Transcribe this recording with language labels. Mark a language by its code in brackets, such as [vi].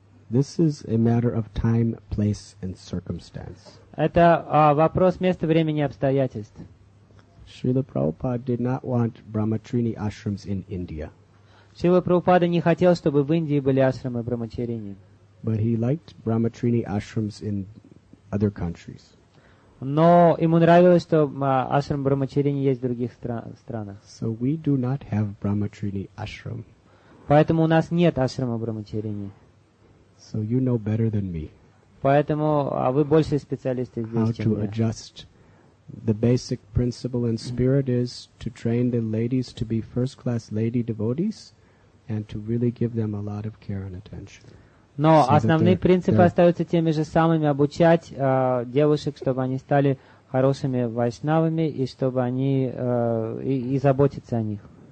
[en] This is a matter of time, place, and circumstance. [ru] Это вопрос места, времени, обстоятельств. [en] Srila Prabhupada did not want Brahmacharini ashrams in India. [ru] Srila Prabhupada не хотел, чтобы в Индии были ашрамы брахмачарини. [en] But he liked Brahmacharini ashrams in other countries. [ru] Но ему нравилось, что ашрам брахмачарини есть в других странах. [en] So we do not have Brahmacharini ashram. [ru] Поэтому у нас нет ашрама брахмачарини. [en] So you know better than me. [ru] Поэтому вы больше специалисты здесь, чем я. [en] How to adjust? The basic principle and spirit is to train the ladies to be first-class lady devotees and to really give them a lot of care and attention. [ru] Но so основные принципы остаются теми же самыми – обучать девушек, чтобы они стали хорошими вайшнавами и чтобы они и заботиться о них.